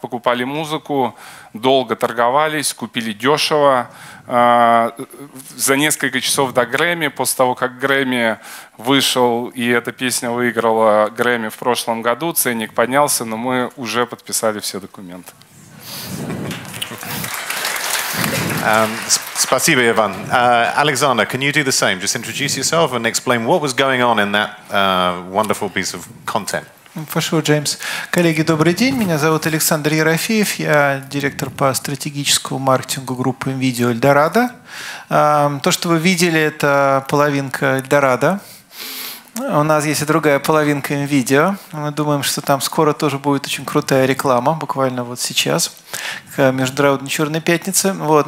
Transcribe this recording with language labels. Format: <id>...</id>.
<ru>Покупали музыку, долго торговались, купили дешево. За несколько часов до Грэмми, после того, как Грэмми вышел, и эта песня выиграла Грэмми в прошлом году, ценник поднялся, но мы уже подписали все документы. Спасибо, Иван.</ru> <en>Александр, can you do the same? Just introduce yourself and explain what was going on in that wonderful piece of content.</en> <ru>Хорошо, Джеймс. Коллеги, добрый день. Меня зовут Александр Ерофеев. Я директор по стратегическому маркетингу группы М.Видео Эльдорадо. То, что вы видели, это половинка Эльдорадо. У нас есть и другая половинка М.Видео. Мы думаем, что там скоро тоже будет очень крутая реклама, буквально вот сейчас, к Международной Черной Пятнице. Вот.</ru>